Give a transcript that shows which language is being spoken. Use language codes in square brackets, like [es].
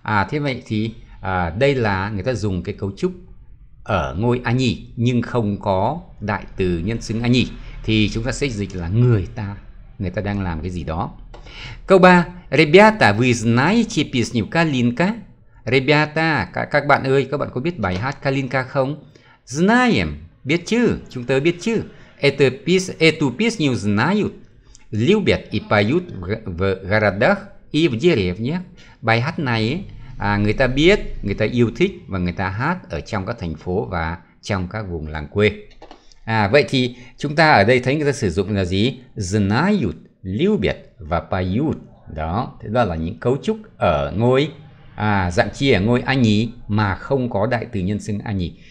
[vi] Thế vậy thì đây là người ta dùng cái cấu trúc ở ngôi они nhưng không có đại từ nhân xưng они thì chúng ta sẽ dịch là người ta. Người ta đang làm cái gì đó. Câu 3. [ru] Ребята, вы знаете песню Калинка? Ребята, [vi] các bạn ơi, các bạn có biết bài hát Калинка không? [ru] Знаем. [vi] Biết chứ, chúng tớ biết chứ. [ru] Эту песню знают. Любят и поют в городах и в деревнях. [vi] Bài hát này người ta biết, người ta yêu thích và người ta hát ở trong các thành phố và trong các vùng làng quê. Vậy thì chúng ta ở đây thấy người ta sử dụng là gì? Znajut, lưu biệt và payut. Đó, thế đó là những cấu trúc ở ngôi dạng chia ở ngôi anh nhỉ mà không có đại từ nhân xưng anh nhỉ.